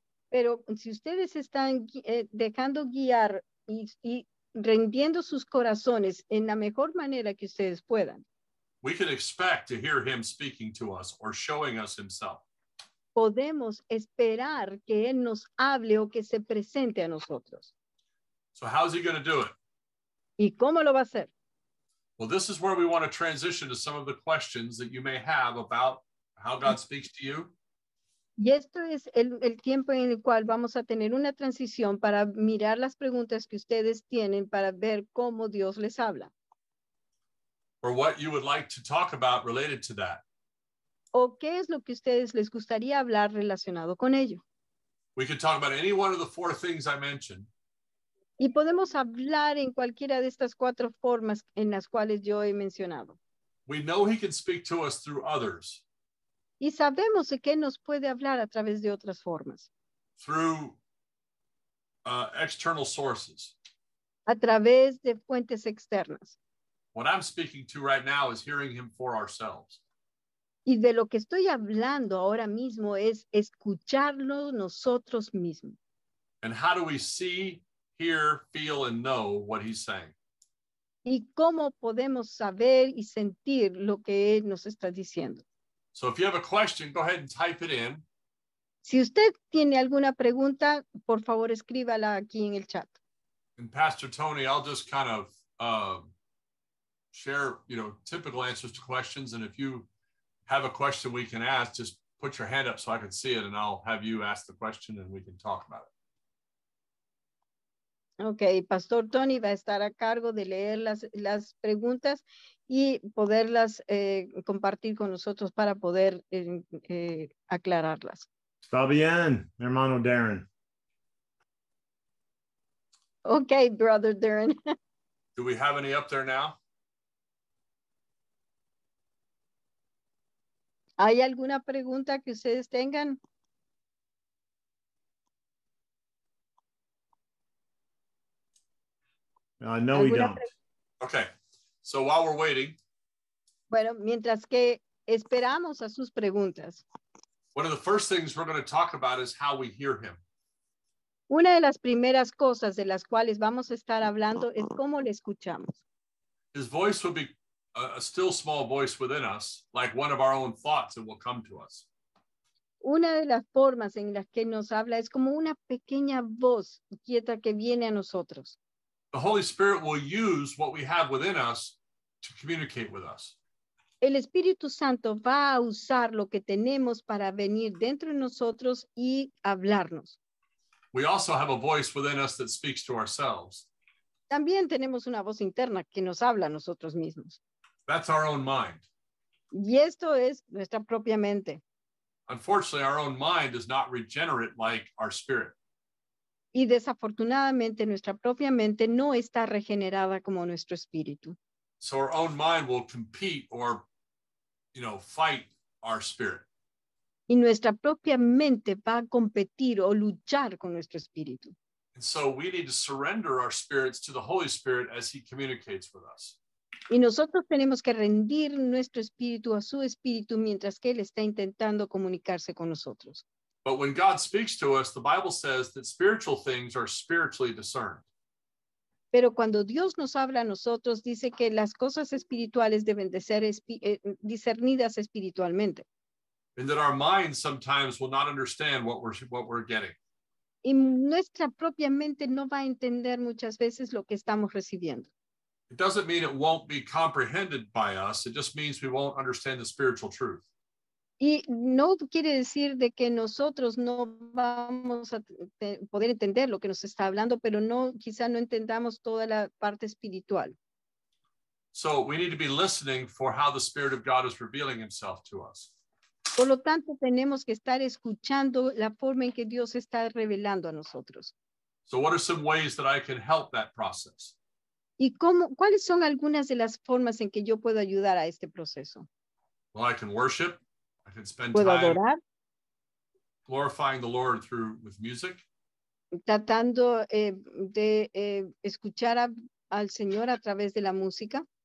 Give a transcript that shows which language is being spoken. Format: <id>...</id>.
<es>pero si ustedes están dejando guiar y rindiendo sus corazones en la mejor manera que ustedes puedan,</es> <en>we can expect to hear him speaking to us or showing us himself.</en> <es>Podemos esperar que él nos hable o que se presente a nosotros.</es> <en>So how's he going to do it?</en> <es>¿Y cómo lo va a hacer?</es> <en>Well, this is where we want to transition to some of the questions that you may have about how God speaks to you.</en> <es>Y esto es el tiempo en el cual vamos a tener una transición para mirar las preguntas que ustedes tienen para ver cómo Dios les habla.</es> <en>Or what you would like to talk about related to that.</en> <es>¿O qué es lo que ustedes les gustaría hablar relacionado con ello?</es> <en>We could talk about any one of the four things I mentioned.</en> <es>Y podemos hablar en cualquiera de estas cuatro formas en las cuales yo he mencionado.</es> <en>We know he can speak to us through others.</en> <es>Y sabemos de qué nos puede hablar a través de otras formas.</es> <en>Through external sources.</en> <es>A través de fuentes externas.</es> <en>What I'm speaking to right now is hearing him for ourselves.</en> <es>Y de lo que estoy hablando ahora mismo es escucharlo nosotros mismos.</es> <en>And how do we see, hear, feel, and know what he's saying?</en> <es>¿Y cómo podemos saber y sentir lo que él nos está diciendo?</es> <en>So if you have a question, go ahead and type it in.</en> <es>Si usted tiene alguna pregunta, por favor, escríbala aquí en el chat.</es> <en>And Pastor Tony, I'll just kind of share, you know, typical answers to questions. And if you have a question we can ask, just put your hand up so I can see it, and I'll have you ask the question and we can talk about it.</en> <es>Okay, Pastor Tony va a estar a cargo de leer las preguntas y poderlas compartir con nosotros para poder aclararlas. Está bien, hermano Darren.</es> <en>Okay, brother Darren. Do we have any up there now?</en> <es>¿Hay alguna pregunta que ustedes tengan?</es> <en>No, we don't. Okay, so while we're waiting.</en> <es>Bueno, mientras que esperamos a sus preguntas.</es> <en>One of the first things we're going to talk about is how we hear him.</en> <es>Una de las primeras cosas de las cuales vamos a estar hablando es cómo le escuchamos.</es> <en>His voice will be a still small voice within us, like one of our own thoughts that will come to us.</en> <es>Una de las formas en las que nos habla es como una pequeña voz quieta que viene a nosotros.</es> <en>The Holy Spirit will use what we have within us to communicate with us.</en> <es>El Espíritu Santo va a usar lo que tenemos para venir dentro de nosotros y hablarnos.</es> <en>We also have a voice within us that speaks to ourselves.</en> <es>También tenemos una voz interna que nos habla a nosotros mismos.</es> <en>That's our own mind.</en> <es>Y esto es nuestra propia mente.</es> <en>Unfortunately, our own mind is not regenerate like our spirit.</en> <es>Y desafortunadamente, nuestra propia mente no está regenerada como nuestro espíritu.</es> <en>So our own mind will compete or, you know, fight our spirit.</en> <es>Y nuestra propia mente va a competir o luchar con nuestro espíritu.</es> <en>And so we need to surrender our spirits to the Holy Spirit as he communicates with us.</en> <es>Y nosotros tenemos que rendir nuestro espíritu a su espíritu mientras que él está intentando comunicarse con nosotros.</es> <en>But when God speaks to us, the Bible says that spiritual things are spiritually discerned.</en> <es>Pero cuando Dios nos habla a nosotros, dice que las cosas espirituales deben de ser discernidas espiritualmente.</es> <en>And that our minds sometimes will not understand what we're getting.</en> <es>Y nuestra propia mente no va a entender muchas veces lo que estamos recibiendo.</es> <en>It doesn't mean it won't be comprehended by us. It just means we won't understand the spiritual truth.</en> <es>Y no quiere decir de que nosotros no vamos a poder entender lo que nos está hablando, pero no, quizá no entendamos toda la parte espiritual.</es> <en>So we need to be listening for how the Spirit of God is revealing himself to us.</en> <es>Por lo tanto, tenemos que estar escuchando la forma en que Dios está revelando a nosotros.</es> <en>So what are some ways that I can help that process?</en> <es>¿Y cómo, cuáles son algunas de las formas en que yo puedo ayudar a este proceso?</es> <en>Well, I can worship. I can spend</en> <es>¿Puedo</es> <en>time</en> <es>adorar?</es> <en>Glorifying the Lord through with music.</en> <es>Tratando escuchar al Señor a través de la música.</es>